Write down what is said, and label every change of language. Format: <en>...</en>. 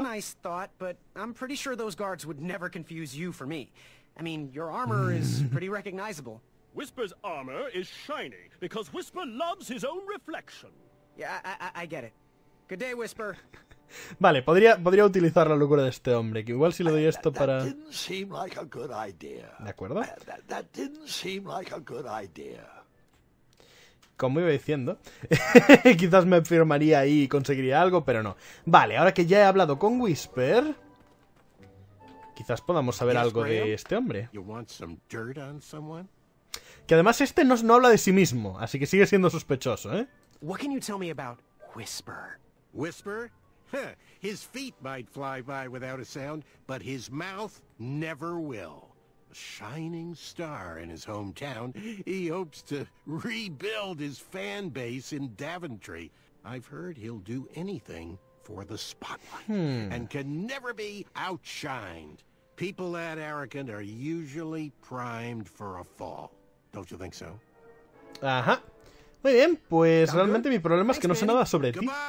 <en>A nice thought, but I'm pretty sure those guards would never confuse you for me. I mean, your armor is pretty recognizable. Whisper's armor is shiny because Whisper loves his own reflection. Yeah, I get it. Good day, Whisper.</en> <es>Vale, podría utilizar la locura de este hombre, que igual si le doy esto</es> <en>that</en> <es>para.</es> <en>Didn't seem like a good idea.</en> <es>¿De acuerdo?</es> <en>That didn't seem like a good idea.</en> <es>Como iba diciendo, quizás me firmaría ahí y conseguiría algo, pero no. Vale, ahora que ya he hablado con Whisper, quizás podamos saber algo de este hombre.</es> <en>You want some dirt on someone?</en> <es>Que además este no habla de sí mismo, así que sigue siendo sospechoso, ¿eh?</es> <en>What can you tell me about Whisper? Whisper? His feet might fly by without a sound, but his mouth never will. A shining star in his hometown, he hopes to rebuild his fan base in Daventry. I've heard he'll do anything for the spotlight and can never be outshined. People that arrogant are usually primed for a fall. Don't you think so?</en> <es>Ajá. Muy bien, pues realmente mi problema es que no sé nada sobre ti.</es>